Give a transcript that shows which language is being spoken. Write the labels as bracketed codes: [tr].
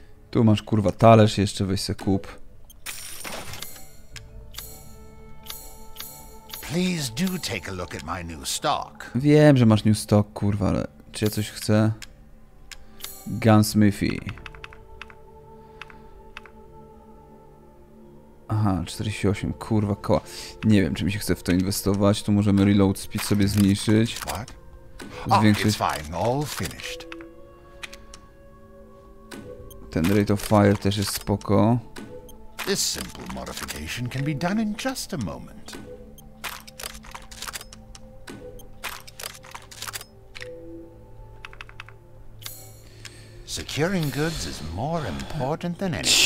[pl] Tu masz kurwa talerz jeszcze, weź se kup. [en] Please do take a look at my new stock. [pl] Wiem, że masz [en] new stock, [pl] kurwa, ale czy ja coś chcę? Gunsmithy. Aha, 48, kurwa, koła. Nie wiem, czy mi się chce w to inwestować. Tu możemy reload speed sobie zmniejszyć. [en] What? [pl] Zwiększyć. [en] Oh, it's fine. All finished. [pl] Ten rate of fire też jest spoko. [en] This simple modification can be done in just a moment. Securing goods is more important than anything.